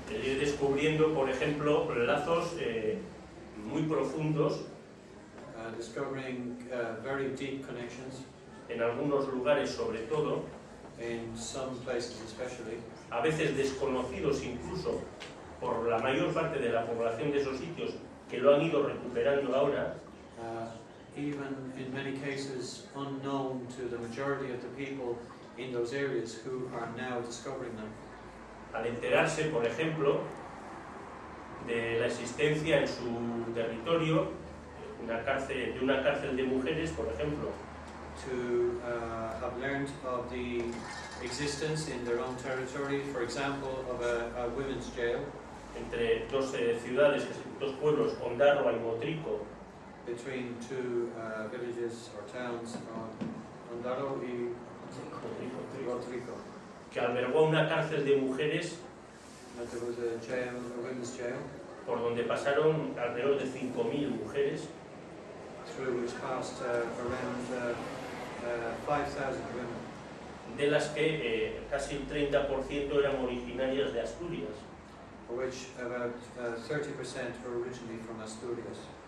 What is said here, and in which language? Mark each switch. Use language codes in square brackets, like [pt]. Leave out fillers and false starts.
[es] Ir descubriendo, por ejemplo, lazos muy profundos. [en] Discovering very deep connections. [es] En algunos lugares, sobre todo. [en] In some places especially, [es] a veces desconocidos incluso por la mayor parte de la población de esos sitios que lo han ido recuperando ahora, [en] even in many cases unknown to the majority of the people in those areas who are now discovering them. [es] Al enterarse, por ejemplo, de la existencia en su territorio de una cárcel de mujeres, por ejemplo, [en] to have learned of the existence in their own territory, for example, of a women's jail. [es] Entre dos ciudades, dos pueblos, Ondarroa y Motrico. [en] Between two villages or towns, Ondarroa y Motrico. [es] Que albergó una cárcel de mujeres. [en] That there was a jail, a women's jail. [es] Por donde pasaron alrededor de 5,000 mujeres. [en] Through which passed around 5,000 women. [es] De las que casi el 30% eran originarias de Asturias. [en] Which about 30% were originally from Asturias.